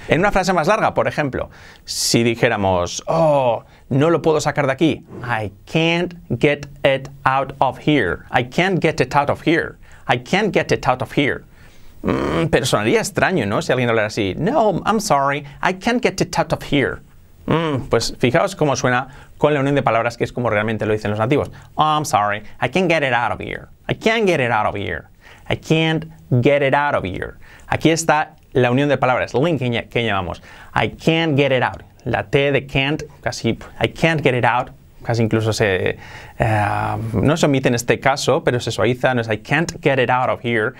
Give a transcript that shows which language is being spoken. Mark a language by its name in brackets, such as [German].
[Spanish] En una frase más larga, por ejemplo, si dijéramos, oh, no lo puedo sacar de aquí, [English] I can't get it out of here, I can't get it out of here, I can't get it out of here. [Spanish] Pero sonaría extraño, ¿no? Si alguien hablara así, no, [English] I'm sorry, I can't get it out of here. [Spanish] Pues fijaos cómo suena con la unión de palabras, que es como realmente lo dicen los nativos. [English] Oh, I'm sorry, I can't get it out of here. I can't get it out of here. I can't get it out of here. [Spanish] Aquí está la unión de palabras, linking, que llamamos. [English] I can't get it out. [Spanish] La T de can't, casi, [English] I can't get it out, [Spanish] casi incluso se, no se omite en este caso, pero se suaviza, no es [English] I can't get it out of here.